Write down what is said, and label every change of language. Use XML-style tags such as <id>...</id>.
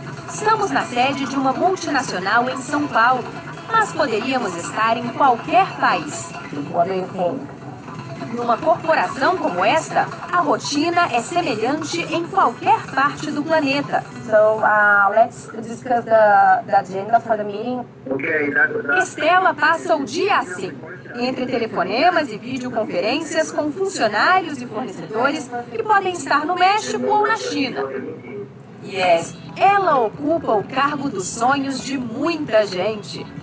<pt>Estamos na sede de uma multinacional em São Paulo, mas poderíamos estar em qualquer país.</pt> <en>What do you think?</en> <pt>Numa corporação como esta, a rotina é semelhante em qualquer parte do planeta.</pt> <en>Let's discuss the agenda for the meeting.</en> <pt>Estela passa o dia assim, entre telefonemas e videoconferências com funcionários e fornecedores que podem estar no México ou na China. Yes, ela ocupa o cargo dos sonhos de muita gente.</pt>